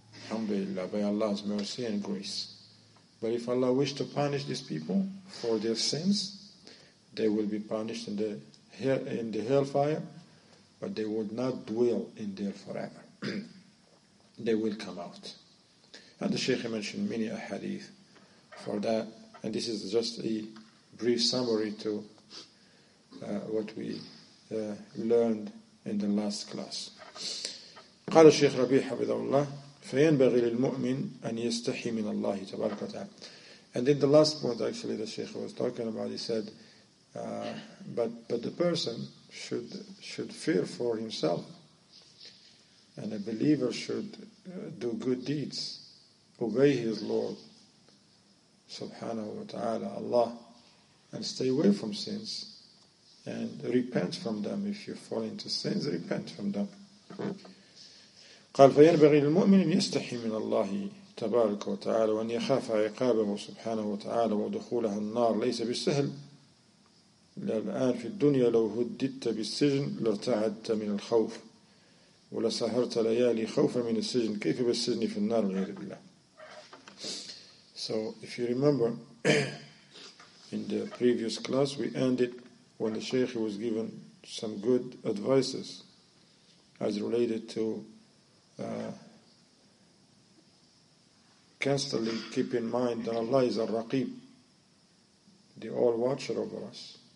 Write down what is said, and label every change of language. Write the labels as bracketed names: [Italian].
[English] Alhamdulillah, by Allah's mercy and grace. But if Allah wish to punish these people for their sins, they will be punished in the hellfire, but they would not dwell in there forever. They will come out. And the Shaykh mentioned many ahadith for that. And this is just a brief summary to what we learned in the last class. [Arabic] قال الشيخ ربيع حفظه الله فينبغي للمؤمن أن يستحي من الله تبارك وتعالى. [English] And in the last point actually the Shaykh was talking about, he said, But the person should fear for himself, and a believer should do good deeds, obey his Lord subhanahu wa ta'ala, Allah, and stay away from sins and repent from them. If you fall into sins, repent from them. [Arabic] قال فينبغي للمؤمن أن يستحي من الله تبارك وتعالى وأن يخاف عقابه سبحانه وتعالى ودخولها النار ليس بالسهل الآن في الدنيا لو هددت بالسجن لارتعدت من الخوف ولسهرت ليالي خوفا من السجن كيف بالسجن في النار والعياذ بالله. [English] So if you remember in the previous class we ended when the Shaykh was given some good advices as related to constantly keep in mind that Allah is al-Raqib, the all-watcher over us.